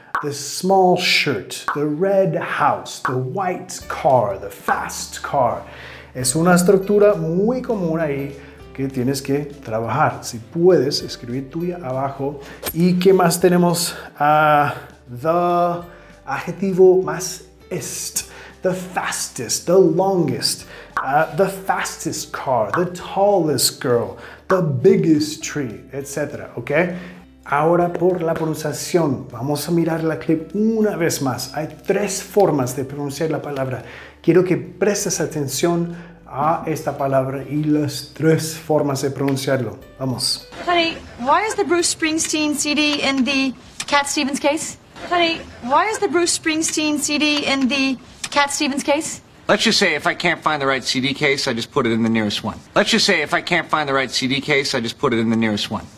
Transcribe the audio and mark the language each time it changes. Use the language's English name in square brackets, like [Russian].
[English] The small shirt, the red house, the white car, the fast car. [Spanish] Es una estructura muy común ahí que tienes que trabajar. Si puedes, escribir tuya abajo. ¿Y qué más tenemos? The adjetivo más est. [English] The fastest, the longest, the fastest car, the tallest girl, the biggest tree, etc. ¿Ok? [Spanish] Ahora por la pronunciación, vamos a mirar la clip una vez más. Hay tres formas de pronunciar la palabra. Quiero que prestes atención a esta palabra y las tres formas de pronunciarlo. Vamos. [English] Honey, why is the Bruce Springsteen CD in the Cat Stevens case? Honey, why is the Bruce Springsteen CD in the Cat Stevens case? Let's just say if I can't find the right CD case, I just put it in the nearest one. Let's just say if I can't find the right CD case, I just put it in the nearest one.